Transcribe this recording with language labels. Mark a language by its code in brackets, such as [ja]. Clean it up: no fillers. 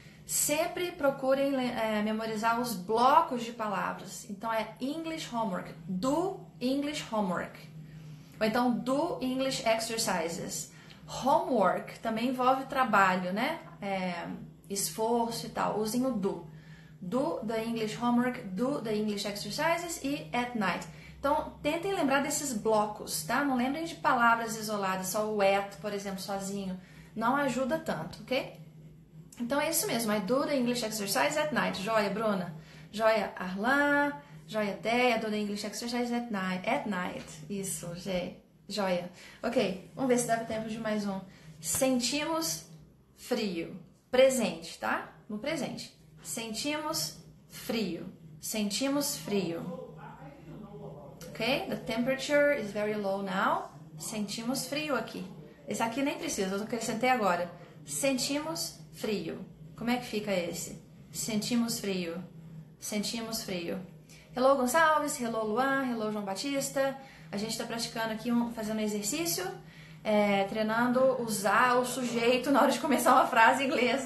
[pt] Sempre procurem memorizar os blocos de palavras. Então, é [en] English homework, do English homework. [pt] Ou então, [en] do English exercises. [pt] Homework também envolve trabalho, né? Esforço e tal. Usem o do. [en] Do the English homework, do the English exercises e at night. [pt] Então, tentem lembrar desses blocos, tá? Não lembrem de palavras isoladas, só o at, por exemplo, sozinho. Não ajuda tanto, ok? Então, é isso mesmo. [en] I do the English exercises at night. [pt] Joia, Bruna. Joia, Arlan. Joia, Deia. [en] Do the English exercises at night. At night. [pt] Isso, gente. Joia. Ok, vamos ver se dá tempo de mais um. Sentimos frio. Presente, tá? No presente. Sentimos frio. Sentimos frio. Ok? [en] The temperature is very low now. [pt] Sentimos frio aqui. Esse aqui nem precisa, eu acrescentei agora. Sentimos frio. Como é que fica esse? Sentimos frio. Sentimos frio. Hello, Gonçalves. Hello, Luan. [en] Hello, João Batista. [pt] A gente está praticando aqui, fazendo um exercício, treinando usar o sujeito na hora de começar uma frase em inglês.